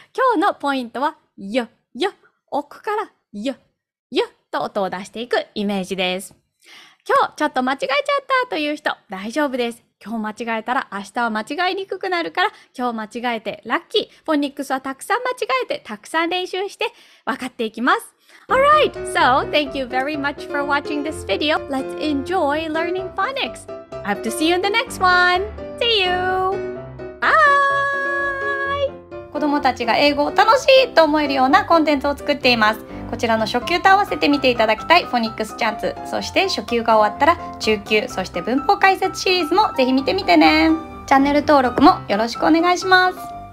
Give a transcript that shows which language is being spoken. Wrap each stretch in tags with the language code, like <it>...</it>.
<ja>今日のポイントは、yuh, yuh! 奥から、yuh, yuh! と音を出していくイメージです。今日ちょっと間違えちゃったという人、大丈夫です。今日間違えたら明日は間違いにくくなるから、今日間違えてラッキー！フォニックスはたくさん間違えて、たくさん練習して、分かっていきます。</ja> <en>Alright, so thank you very much for watching this video. Let's enjoy learning phonics. Hope to see you in the next one. See you! Bye!</en> <ja>子供たちが英語を楽しいと思えるようなコンテンツを作っています。こちらの初級と合わせて見ていただきたいフォニックスチャンス、そして初級が終わったら中級、そして文法解説シリーズもぜひ見てみてね。チャンネル登録もよろしくお願いします。</ja>